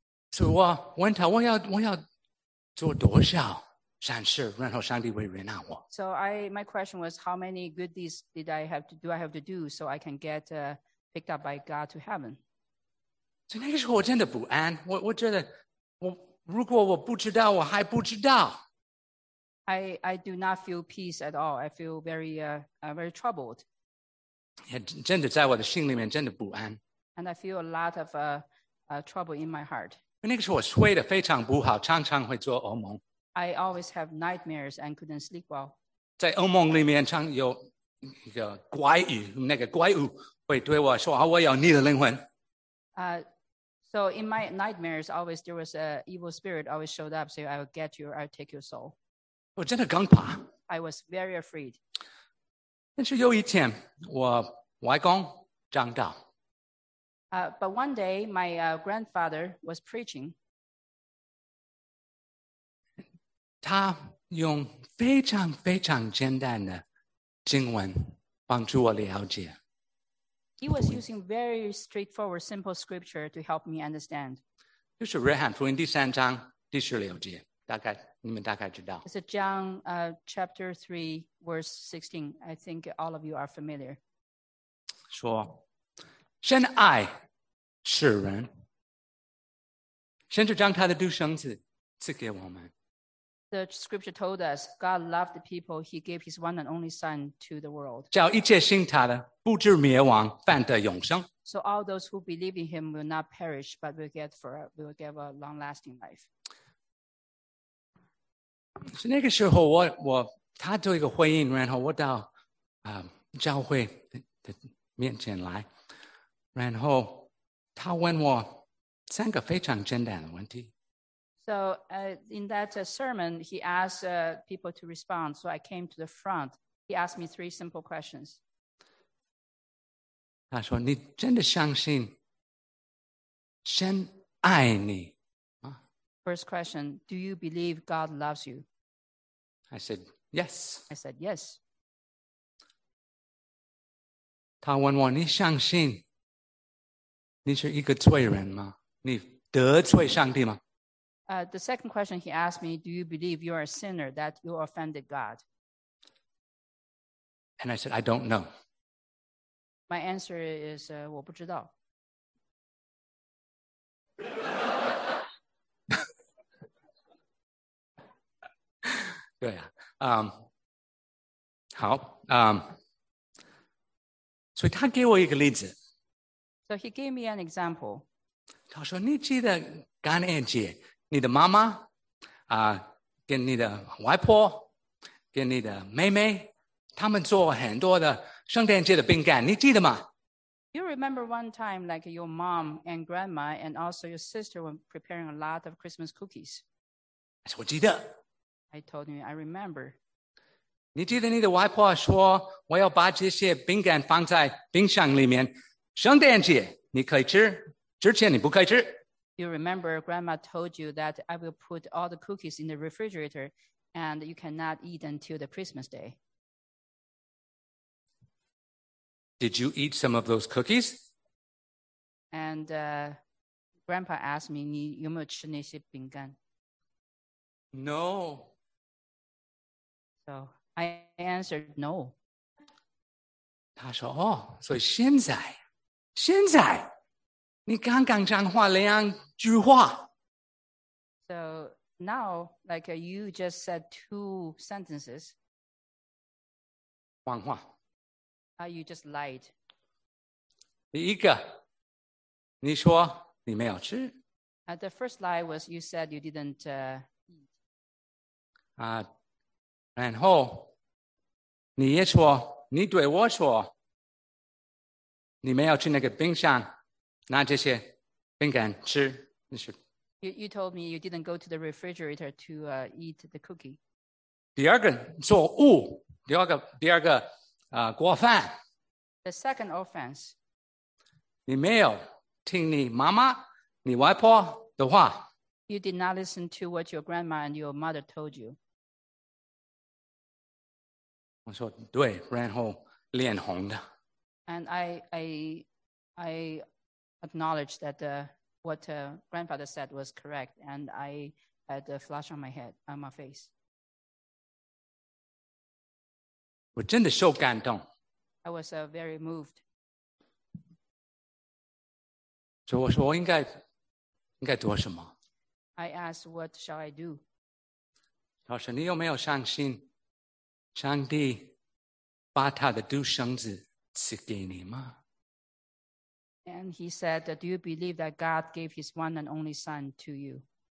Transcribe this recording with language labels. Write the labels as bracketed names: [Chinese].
[Chinese] 所以我问他，我要做多少善事，然后上帝会原谅我。 [English] So my question was, how many good deeds do I have to do so I can get picked up by God to heaven? [Chinese] 所以那个时候我真的不安，我觉得我如果我不知道，我还不知道。 [English] I do not feel peace at all. I feel very very troubled. [Chinese] 也真的在我的心里面真的不安。 [English] And I feel a lot of trouble in my heart. [Chinese] 那个时候我睡得非常不好，常常会做噩梦。 [English] I always have nightmares and couldn't sleep well. [Chinese] 在噩梦里面常有一个怪物，那个怪物会对我说：“我要你的灵魂。” [English] So in my nightmares, always there was an evil spirit always showed up, saying, "I will get you, I will take your soul." [Chinese] 我真的更怕。 [English] I was very afraid. [Chinese] 但是有一天，我外公讲道。 [English] But one day, my grandfather was preaching. [Chinese] 他用非常非常简单的经文帮助我了解。 [English] He was using very straightforward, simple scripture to help me understand. [Chinese] 就是约翰福音第三章第十六节，大概你们大概知道。 [English] It's a John chapter 3, verse 16. I think all of you are familiar. [Chinese] 说，神爱世人，甚至将他的独生子赐给我们。 [English] The scripture told us, God loved the people, he gave his one and only son to the world. [Chinese] 叫一切信他的不至灭亡，反得永生。 [English] So all those who believe in him will not perish, but will get a long-lasting life. [Chinese] 是那个时候我他做一个回应，然后我到教会的面前来，然后他问我三个非常简单的问题。 [English] So in that sermon, he asked people to respond. So I came to the front. He asked me three simple questions. [Chinese] 他说：“你真的相信神爱你吗？” [English] First question: Do you believe God loves you? I said yes. I said yes. [Chinese] 他问我：“你相信你是一个罪人吗？你得罪上帝吗？” [English] The second question he asked me: Do you believe you are a sinner that you offended God? And I said, I don't know. My answer is, [Chinese] 我不知道。对啊，好，所以他给我一个例子。 [English] So he gave me an example. [Chinese] 他说：“你记得感恩节，你的妈妈啊，跟你的外婆，跟你的妹妹，他们做很多的圣诞节的饼干，你记得吗？” [English] You remember one time, like your mom and grandma, and also your sister were preparing a lot of Christmas cookies. [Chinese] 我记得。 [English] I told you, I remember. [Chinese] 你记得你的外婆说，我要把这些饼干放在冰箱里面，圣诞节你可以吃，之前你不可以吃。 [English] You remember grandma told you that I will put all the cookies in the refrigerator, and you cannot eat until the Christmas day. Did you eat some of those cookies? And grandpa asked me, [Chinese] 你有没有吃那些饼干？ [English] No. So I answered no. [Chinese] 他说哦，所以现在你刚刚讲话两句话。 [English] So now, like you just said two sentences. [Chinese] 谎话。 [English] You just lied. [Chinese] 第一个，你说你没有吃。 [English] The first lie was you said you didn't eat. [Chinese] 然后你也说，你对我说，你没有去那个冰箱拿这些饼干吃，你是。 [English] You told me you didn't go to the refrigerator to eat the cookie. [Chinese] 第二个错误，第二个过犯。 [English] The second offense. [Chinese] 你没有听你妈妈、你外婆的话。 [English] You did not listen to what your grandma and your mother told you. [Chinese] 我说对，然后脸红的。 [English] And I acknowledge that what grandfather said was correct, and I had a flush on my head, on my face. [Chinese] 我真的受感动。 [English] I was very moved. [Chinese] 所以我说我应该做什么。 [English] I asked, what shall I do? [Chinese] 他说你有没有相信上帝把他的独生子赐给你吗？ [English] And he said, do you believe that God gave his one and only son to you?